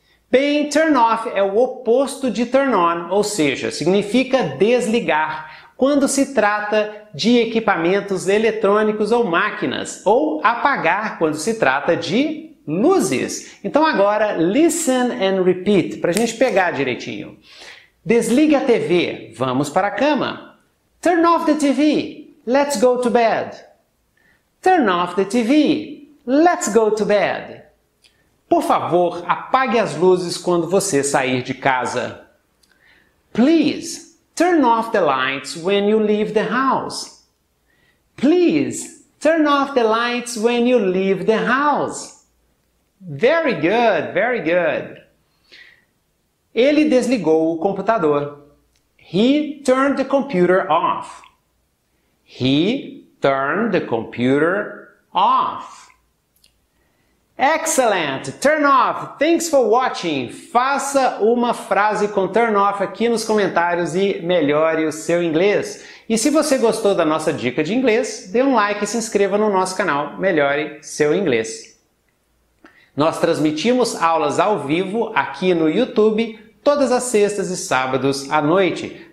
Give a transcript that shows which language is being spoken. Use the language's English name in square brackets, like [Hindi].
[Portuguese] Bem, turn off é o oposto de turn on, ou seja, significa desligar quando se trata de equipamentos eletrônicos ou máquinas, ou apagar quando se trata de luzes. Então agora, [English] listen and repeat, [Portuguese] para a gente pegar direitinho. Desligue a TV, vamos para a cama. [English] Turn off the TV, let's go to bed. Turn off the TV, let's go to bed. [Portuguese] Por favor, apague as luzes quando você sair de casa. [English] Please, turn off the lights when you leave the house. Please, turn off the lights when you leave the house. Very good, very good. [Portuguese] Ele desligou o computador. [English] He turned the computer off. He turned the computer off. Excellent! Turn off! Thanks for watching! [Portuguese] Faça uma frase com turn off aqui nos comentários e melhore o seu inglês. E se você gostou da nossa dica de inglês, dê um like e se inscreva no nosso canal Melhore Seu Inglês. Nós transmitimos aulas ao vivo aqui no YouTube todas as sextas e sábados à noite.